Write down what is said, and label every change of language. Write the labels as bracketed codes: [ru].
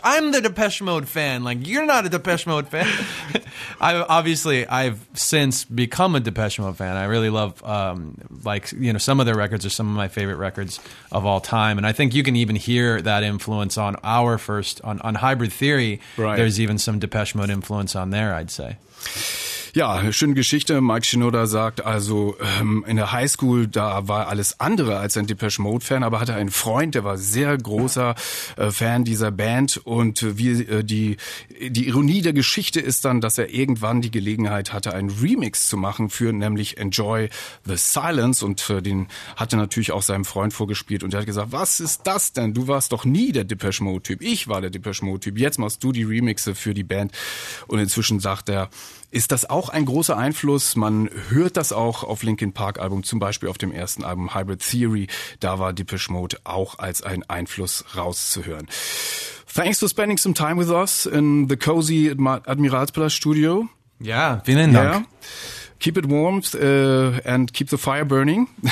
[en] I'm the Depeche Mode fan. Like, you're not a Depeche Mode fan. I've since become a Depeche Mode fan. I really love, some of their records are some of my favorite records of all time. And I think you can even hear that influence on our first, on Hybrid Theory. Right. There's even some Depeche Mode influence on there, I'd say. [de] Ja, schöne Geschichte. Mike Shinoda sagt also, in der Highschool, da war alles andere als ein Depeche Mode Fan, aber hatte einen Freund, der war sehr großer Fan dieser Band, und die Ironie der Geschichte ist dann, dass er irgendwann die Gelegenheit hatte, einen Remix zu machen für nämlich Enjoy the Silence, und den hatte natürlich auch seinem Freund vorgespielt, und er hat gesagt, was ist das denn? Du warst doch nie der Depeche Mode Typ. Ich war der Depeche Mode Typ. Jetzt machst du die Remixe für die Band. Und inzwischen sagt er, ist das auch ein großer Einfluss? Man hört das auch auf Linkin Park Album, zum Beispiel auf dem ersten Album Hybrid Theory. Da war Depeche Mode auch als ein Einfluss rauszuhören. [en] Thanks for spending some time with us in the cozy Admiralspalast Studio. [de] Ja, vielen Dank. Yeah. [en] Keep it warm and keep the fire burning.